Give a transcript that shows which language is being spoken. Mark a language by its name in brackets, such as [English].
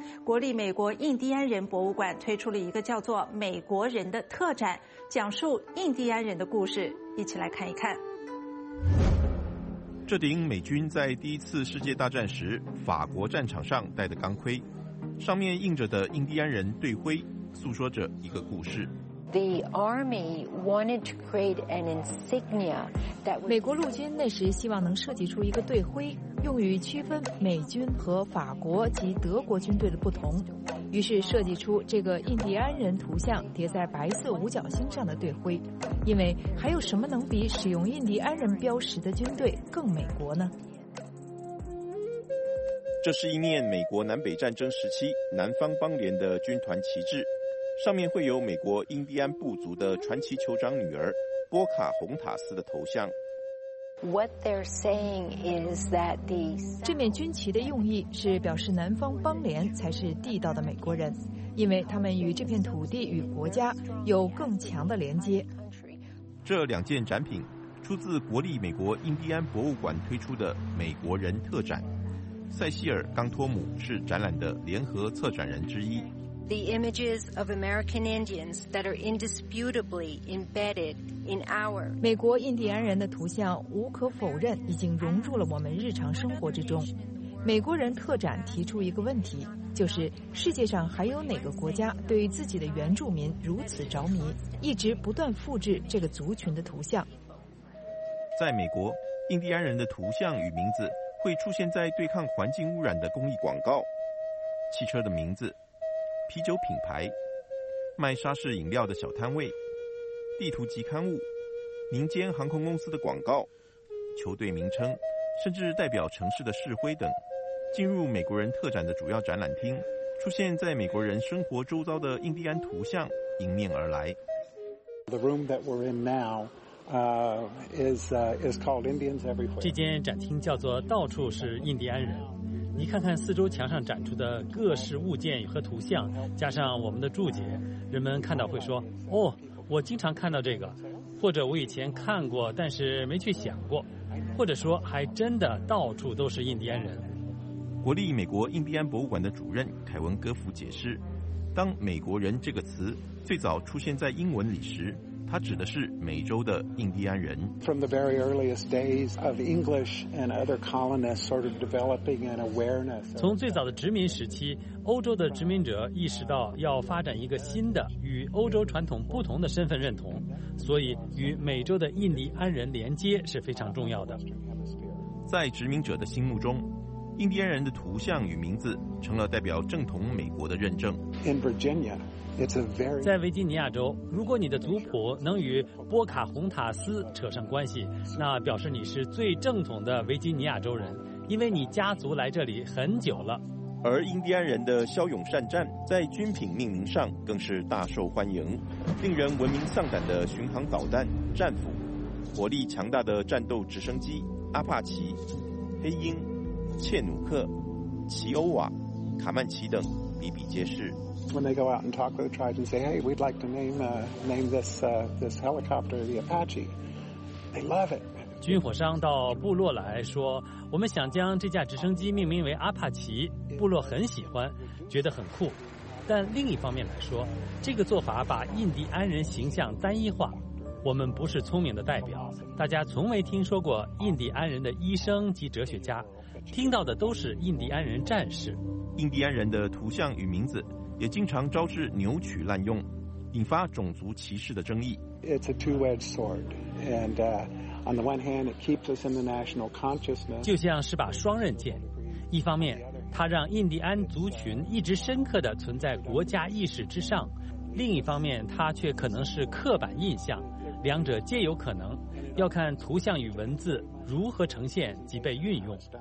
[Chinese] 国立美国印第安人博物馆推出了一个叫做《美国人》的特展，讲述印第安人的故事，一起来看一看。这顶美军在第一次世界大战时法国战场上戴的钢盔，上面印着的印第安人队徽，诉说着一个故事。 [English] The army wanted to create an insignia that [Chinese] 美国陆军那时希望能设计出一个队徽，用于区分美军和法国及德国军队的不同，于是设计出这个印第安人图像叠在白色五角星上的队徽。因为还有什么能比使用印第安人标识的军队更美国呢？这是一面美国南北战争时期南方邦联的军团旗帜，上面会有美国印第安部族的传奇酋长女儿波卡洪塔斯的头像。 [English] What they're saying is that the [Chinese] 这面军旗的用意是表示南方邦联才是地道的美国人，因为他们与这片土地与国家有更强的连接。这两件展品出自国立美国印第安博物馆推出的《美国人》特展，塞西尔·冈托姆是展览的联合策展人之一。 [English] The images of American Indians that are indisputably embedded in our [Chinese] 美国印第安人的图像无可否认已经融入了我们日常生活之中。美国人特展提出一个问题，就是世界上还有哪个国家对自己的原住民如此着迷，一直不断复制这个族群的图像。在美国，印第安人的图像与名字会出现在对抗环境污染的公益广告、汽车的名字、啤酒品牌、卖沙士饮料的小摊位、地图及刊物、民间航空公司的广告、球队名称，甚至代表城市的市徽等。进入美国人特展的主要展览厅，出现在美国人生活周遭的印第安图像迎面而来。 [English] The room that we're in now, is called Indians Everywhere. [Chinese] 这间展厅叫做到处是印第安人。你看看四周墙上展出的各式物件和图像，加上我们的注解，人们看到会说：“哦，我经常看到这个，或者我以前看过，但是没去想过。” 或者说还真的到处都是印第安人。国立美国印第安博物馆的主任凯文·戈弗解释，当美国人这个词最早出现在英文里时，它指的是美洲的印第安人。 [English] From the very earliest days of English and other colonists sort of developing an awareness. [Chinese] 从最早的殖民时期，欧洲的殖民者意识到要发展一个新的与欧洲传统不同的身份认同，所以与美洲的印第安人连接是非常重要的。在殖民者的心目中，印第安人的图像与名字成了代表正统美国的认证。在维吉尼亚州，如果你的族谱能与波卡洪塔斯扯上关系，那表示你是最正统的维吉尼亚州人，因为你家族来这里很久了。而印第安人的骁勇善战在军品命名上更是大受欢迎，令人闻名丧胆的巡航导弹战斧、火力强大的战斗直升机阿帕奇、黑鹰、切努克、奇欧瓦、卡曼奇等比比皆是。 [English] When they go out and talk with the tribes and say, "Hey, we'd like to name this helicopter the Apache," they love it. [Chinese] 军火商到部落来说，我们想将这架直升机命名为阿帕奇，部落很喜欢，觉得很酷。但另一方面来说，这个做法把印第安人形象单一化。我们不是聪明的代表，大家从没听说过印第安人的医生及哲学家，听到的都是印第安人战士。印第安人的图像与名字也经常招致扭曲滥用，引发种族歧视的争议。 [English] It's a two-edged sword, and on the one hand, it keeps us in the national consciousness. [Chinese] 就像是把双刃剑，一方面，它让印第安族群一直深刻地存在国家意识之上；另一方面，它却可能是刻板印象，两者皆有可能，要看图像与文字如何呈现及被运用。